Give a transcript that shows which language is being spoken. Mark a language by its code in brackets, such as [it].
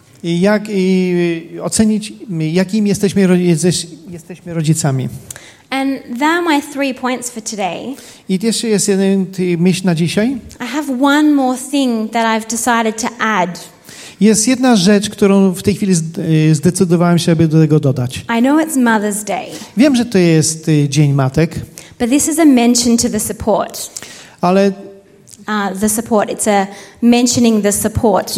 [pl] I ocenić, jakim jesteśmy rodzicami. [en] And there are my three points for today. [pl] I jeszcze jest jeden myśl na dzisiaj. [en] I have one more thing that I've decided to add. [pl] Jest jedna rzecz, którą w tej chwili zdecydowałem się, aby do tego dodać. [en] I know it's Mother's Day. [pl] Wiem, że to jest Dzień Matek. [en] But this is a mention to the support. [pl] Ale [en] The support. It's a mentioning the support.